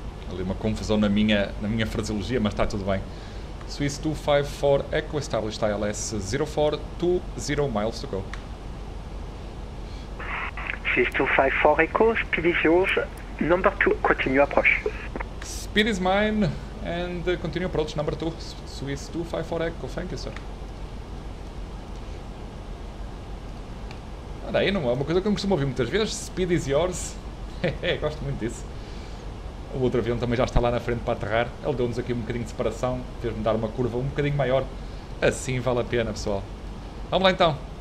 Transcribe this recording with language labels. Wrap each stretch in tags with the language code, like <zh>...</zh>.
<pt>Ali uma confusão na minha fraseologia, mas está tudo bem.</pt> <en>Swiss 254, Echo established ILS 04, 20 miles to go. Swiss 254, Echo, speed is yours. Number 2, continue approach. Speed is mine, and continue approach, number 2, Swiss 254 Echo, thank you, sir.</en> <pt>Ah, daí não é uma coisa que eu costumo ouvir muitas vezes,</pt> <en>speed is yours.</en> <pt>Gosto muito disso. O outro avião também já está lá na frente para aterrar, ele deu-nos aqui um bocadinho de separação, fez-me dar uma curva um bocadinho maior, assim vale a pena, pessoal. Vamos lá então.</pt>